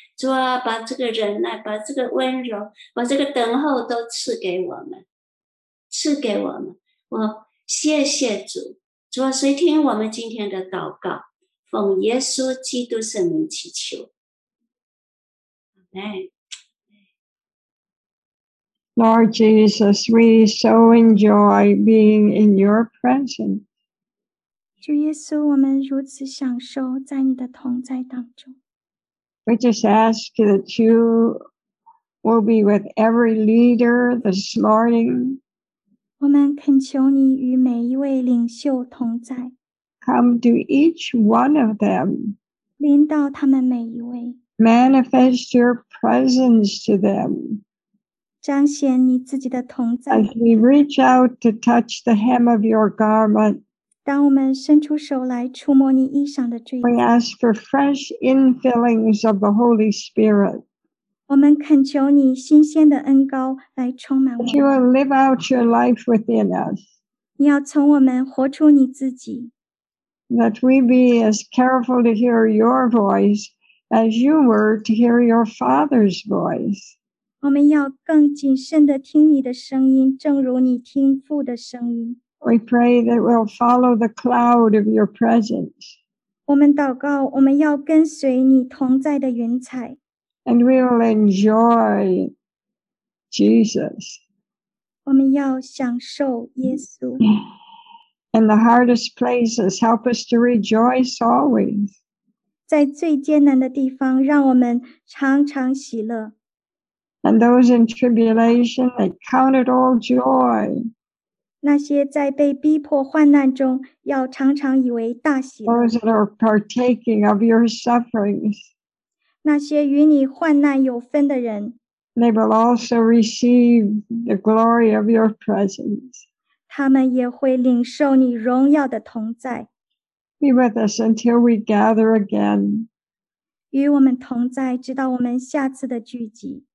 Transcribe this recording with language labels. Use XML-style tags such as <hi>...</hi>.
<zh>主啊，把这个忍耐，把这个温柔，把这个等候都赐给我们，赐给我们。我谢谢主。主啊，随听我们今天的祷告，奉耶稣基督圣名祈求。</zh> <en>Amen. Lord Jesus, we so enjoy being in your presence.</en> <zh>主耶稣，我们如此享受在你的同在当中。</zh> <en>We just ask that you will be with every leader this morning.</en> <zh>我们恳求你与每一位领袖同在。</zh> <en>Come to each one of them.</en> <zh>临到他们每一位。</zh> <en>Manifest your presence to them.</en> <zh>彰显你自己的同在。</zh> <en>As we reach out to touch the hem of your garment.</en> <zh>当我们伸出手来触摸你衣裳的罪，</zh> <en>We ask for fresh infillings of the Holy Spirit.</en> <zh>我们恳求你新鲜的恩膏来充满我们。</zh> <en>You will live out your life within us.</en> <zh>你要从我们活出你自己。</zh> <en>That we be as careful to hear your voice as you were to hear your Father's voice.</en> <zh>我们要更谨慎地听你的声音，正如你听父的声音。</zh> <en>We pray that we'll follow the cloud of your presence.</en> <zh>我们祷告，我们要跟随你同在的云彩。</zh> <en>And we will enjoy Jesus.</en> <zh>我们要享受耶稣。</zh> <en>In the hardest places, help us to rejoice always.</en> <zh>在最艰难的地方，让我们常常喜乐。</zh> <en>And those in tribulation, they count it all joy.</en> <zh>那些在被逼迫患难中要常常以为大喜乐。</zh> <en>Those that are partaking of your sufferings.</en> <zh>那些与你患难有分的人。</zh> <en>They will also receive the glory of your presence.</en> <zh>他们也会领受你荣耀的同在。</zh> <en>Be with us until we gather again.</en> <zh>与我们同在，直到我们下次的聚集。</zh>